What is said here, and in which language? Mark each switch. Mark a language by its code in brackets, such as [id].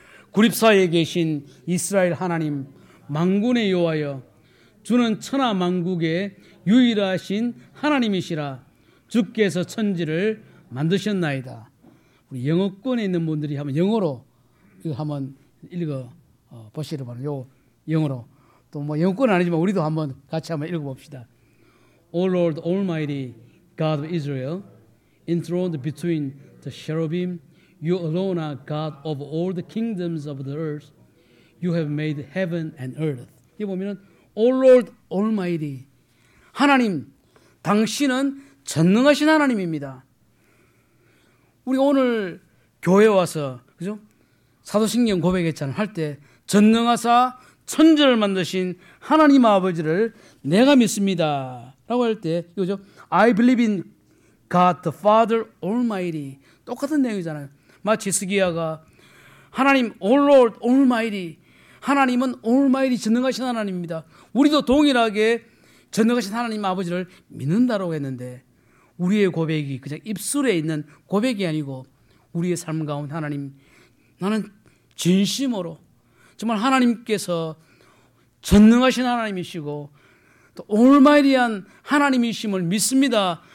[ko] 구립사에 계신 이스라엘 하나님 만군의 여호와여, 주는 천하 만국의 유일하신 하나님이시라. 주께서 천지를 만드셨나이다. 우리 영어권에 있는 분들이 한번 영어로 이거 한번 읽어 보시기 바랍니다. 요 영어로. 또 뭐 영어권은 아니지만 우리도 한번 같이 한번 읽어 봅시다. [en] O Lord Almighty God of Israel, enthroned between the cherubim, you alone are God of all the kingdoms of the earth. You have made heaven and earth. [ko] 이 보면은 [en] O Lord Almighty, [ko] 하나님 당신은 전능하신 하나님입니다. 우리 오늘 교회 와서 그죠? 사도신경 고백했잖아요. 할 때 전능하사 천지를 만드신 하나님 아버지를 내가 믿습니다. 라고 할 때 이거죠. [en] I believe in God the Father Almighty. [ko] 똑같은 내용이잖아요. 마치 스기야가 하나님 [en] All Lord Almighty, [ko] 하나님은 [en] Almighty [ko] 전능하신 하나님입니다. 우리도 동일하게 전능하신 하나님 아버지를 믿는다라고 했는데 우리의 고백이 그냥 입술에 있는 고백이 아니고 우리의 삶 가운데 하나님 나는 진심으로 정말 하나님께서 전능하신 하나님이시고 또 올마이티한 하나님이심을 믿습니다.